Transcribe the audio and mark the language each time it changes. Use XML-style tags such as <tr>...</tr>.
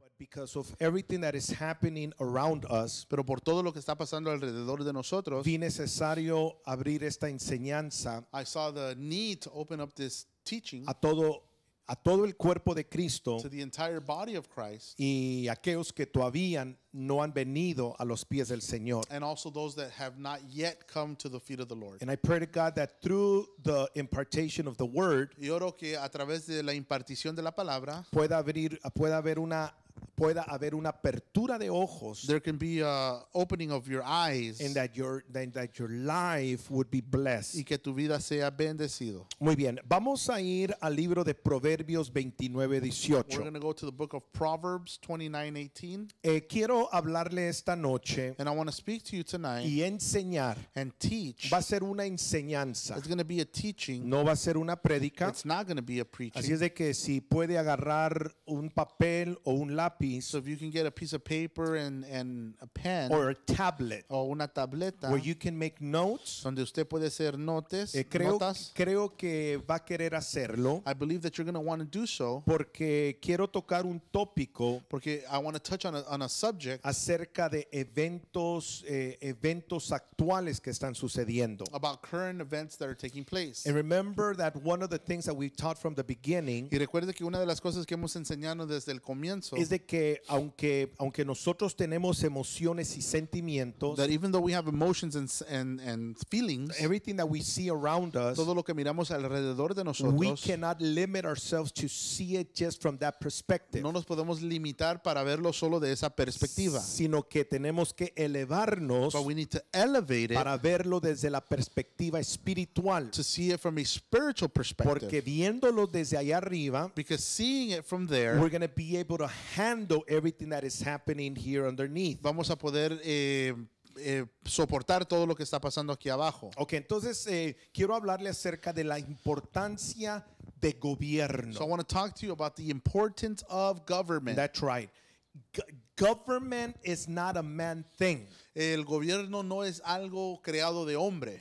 <en>because of everything that is happening around us,</en> <es>pero por todo lo que está pasando alrededor de nosotros, vi necesario abrir esta enseñanza.</es> <en>I saw the need to open up this teaching.</en> <es>A todo el cuerpo de Cristo,</es> <en>to the entire body of Christ,</en> <es>y aquellos que todavía no han venido a los pies del Señor,</es> <en>and also those that have not yet come to the feet of the Lord. And I pray to God that through the impartation of the word,</en> <es>y oro que a través de la impartición de la palabra, pueda haber una apertura de ojos,</es> <en>there can be a opening of your eyes, and that your life would be blessed,</en> <es>y que tu vida sea bendecido. Muy bien, vamos a ir al libro de Proverbios 29:18.</es> <en>We're going to go to the book of Proverbs 29:18.</en> <es>Quiero hablarle esta noche,</es> <en>and I want to speak to you tonight,</en> <es>y enseñar,</es> <en>and teach.</en> <es>Va a ser una enseñanza,</es> <en>it's going to be a teaching,</en> <es>no va a ser una prédica,</es> <en>it's not going to be a preaching.</en> <es>Así es de que si puede agarrar un papel o un lápiz,</es> <en>so if you can get a piece of paper and a pen, or a tablet,</en> <es>o una tableta,</es> <en>where you can make notes,</en> <es>donde usted puede hacer notes, notas. Creo que va a querer hacerlo.</es> <en>I believe that you're going to want to do so,</en> <es>porque quiero tocar un tópico, porque</es> <en>I want to touch on a subject,</en> <es>acerca de eventos actuales que están sucediendo,</es> <en>about current events that are taking place. And remember that one of the things that we've taught from the beginning,</en> <es>y recuerde que una de las cosas que hemos enseñado desde el comienzo, es de que aunque nosotros tenemos emociones y sentimientos,</es> <en>that even though we have emotions and feelings, everything that we see around us,</en> <es>todo lo que miramos alrededor de nosotros,</es> <en>we cannot limit ourselves to see it just from that perspective,</en> <es>no nos podemos limitar para verlo solo de esa perspectiva, sino que tenemos que elevarnos,</es> <en>but we need to elevate it,</en> <es>para verlo desde la perspectiva espiritual,</es> <en>to see it from a spiritual perspective,</en> <es>porque viéndolo desde allá arriba,</es> <en>because seeing it from there, we're going to be able to handle everything that is happening here underneath.</en> <es>Vamos a poder soportar todo lo que está pasando aquí abajo. Okay, entonces quiero hablarle acerca de la importancia de gobierno.</es> <en>So I want to talk to you about the importance of government. That's right. Government is not a man thing.</en> <es>El gobierno no es algo creado de hombre,</es>